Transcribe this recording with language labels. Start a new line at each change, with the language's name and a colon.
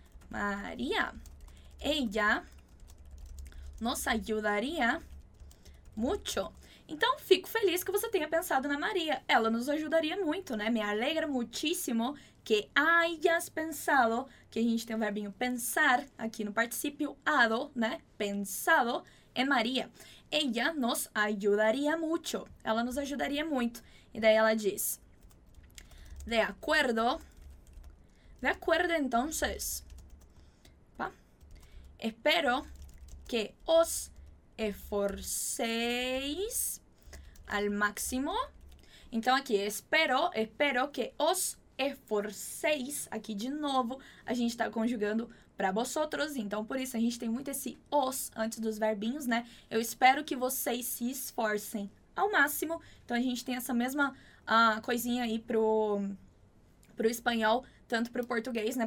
Spanish: Maria, ella nos ayudaría mucho.
Portuguese: Então, fico feliz que você tenha pensado na Maria. Ela nos ajudaria muito, né?
Spanish: Me alegra muchísimo que hayas pensado,
Portuguese: que a gente tem o verbinho pensar aqui no participio ado, né? Pensado em Maria.
Spanish: Ella nos ayudaría mucho.
Portuguese: Ela
Spanish: nos ayudaría mucho.
Portuguese: E daí ela diz,
Spanish: de acuerdo entonces,
Portuguese: pa.
Spanish: Espero que os esforcéis al máximo.
Portuguese: Então aqui,
Spanish: espero que os esforcéis,
Portuguese: aqui de novo, a gente tá conjugando para vosotros, então por isso a gente tem muito esse os antes dos verbinhos, né? Eu espero que vocês se esforcem ao máximo. Então a gente tem essa mesma coisinha aí pro espanhol, tanto pro português, né?